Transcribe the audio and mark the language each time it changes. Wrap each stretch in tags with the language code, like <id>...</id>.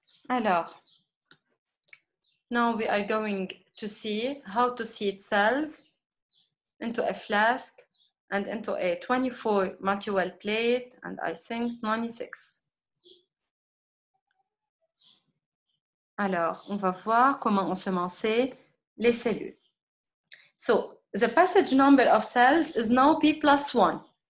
<en>Alors, now we are going to see how to seed cells into a flask and into a 24 multi-well plate and I think 96.</en> <fr>Alors, on va voir comment ensemencer les cellules.</fr> <en>So, the passage number of cells is now P plus 1.</en>